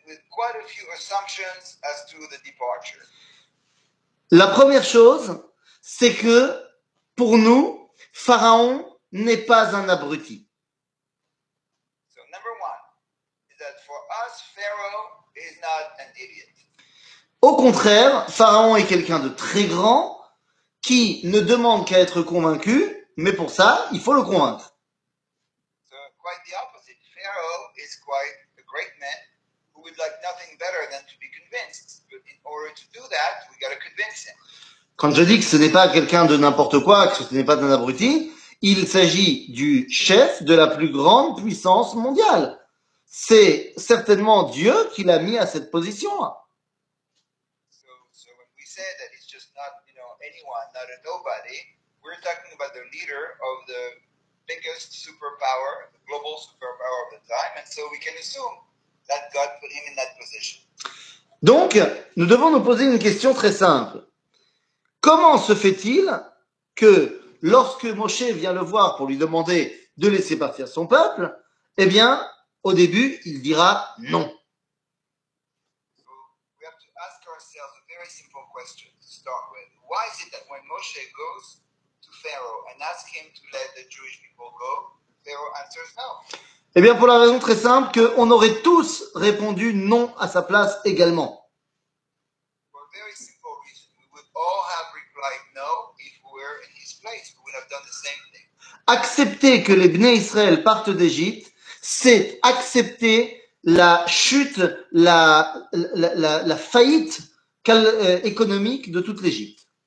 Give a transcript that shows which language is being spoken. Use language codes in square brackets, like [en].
[en] Quite a few assumptions as to the departure. [fr] La première chose, c'est que pour nous, Pharaon n'est pas un abruti. [en] So number one is that for us, Pharaoh is not an idiot. [fr] Au contraire, Pharaon est quelqu'un de très grand qui ne demande qu'à être convaincu, mais pour ça, il faut le convaincre. [en] So quite the opposite. Pharaoh is quite a great man. Would like nothing better than to be convinced. But in order to do that, we got to convince him. [fr] Quand je dis que ce n'est pas quelqu'un de n'importe quoi, que ce n'est pas un abruti, il s'agit du chef de la plus grande puissance mondiale. C'est certainement Dieu qui l'a mis à cette position. [en] So when we say that it's just not, you know, anyone, not a nobody, we're talking about the leader of the biggest superpower, the global superpower of the time, and so we can assume that God put him in that position. [fr] Donc, nous devons nous poser une question très simple. Comment se fait-il que lorsque Moshe vient le voir pour lui demander de laisser partir son peuple, eh bien, au début, il dira non. [en] So, we have to ask ourselves a very simple question to start with. Why is it that when Moshe goes to Pharaoh and asks him to let the Jewish people go, Pharaoh answers no? [fr] Eh bien, pour la raison très simple qu'on aurait tous répondu non à sa place également. [en] For a very simple reason, we would all have replied no if we were in his place. We would have done the same thing. [fr] Accepter que les Bnei Israël partent d'Égypte, c'est accepter la chute, la faillite économique de toute l'Égypte.